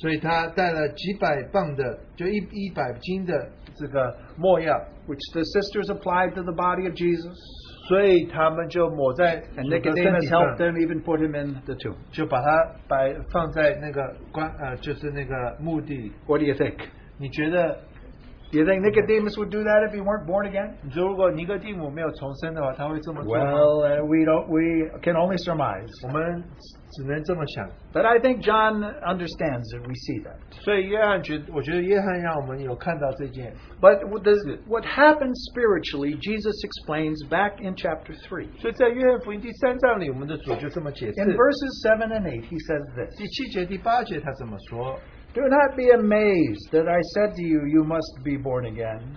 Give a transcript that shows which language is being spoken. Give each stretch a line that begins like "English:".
Chinese: 所以他带了几百磅的，就一百斤的这个没药,
English: which the sisters applied to the body of Jesus.
Chinese: 所以他们就抹在,
English: and Nicodemus helped them even put him in the tomb.
Chinese: 就把他放在那个棺，就是那个墓地.
English: What do you think?
Chinese: 你觉得,
English: do you think Nicodemus would do that if he weren't born again?
Chinese: 如果尼哥底母没有重生的话, 他会这么做吗?
English: Well, we can only surmise.
Chinese: 我们只能这么想.
English: But I think John understands that we see that.
Chinese: 所以约翰觉得，我觉得约翰让我们有看到这件.
English: But what happens spiritually, Jesus explains back in chapter 3.
Chinese: 所以在约翰福音第三章里, 我们的主就这么解释.
English: In verses 7 and 8, he says this.
Chinese: 第七节、第八节他怎么说?
English: Do not be amazed that I said to you, you must be born again.